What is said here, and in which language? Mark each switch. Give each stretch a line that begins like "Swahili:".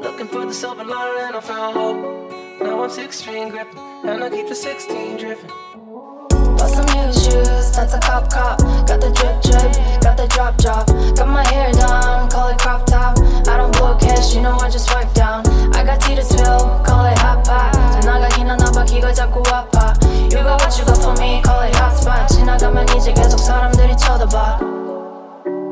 English: Looking for the silver liner and I found hope. Now I'm 16 gripping, and I keep the 16 dripping. Bought some new shoes, that's a cop cop. Got the drip drip, got the drop drop. Got my hair done, call it crop top. I don't blow cash, you know I just wipe down. I got tea to spill, call it hot pot.
Korean: 전화가 기나나 봐, 귀가 자꾸 아파.
English: You got what you got for me, call it hot spot.
Korean: 지나가면 이제 계속 사람들이 쳐다봐.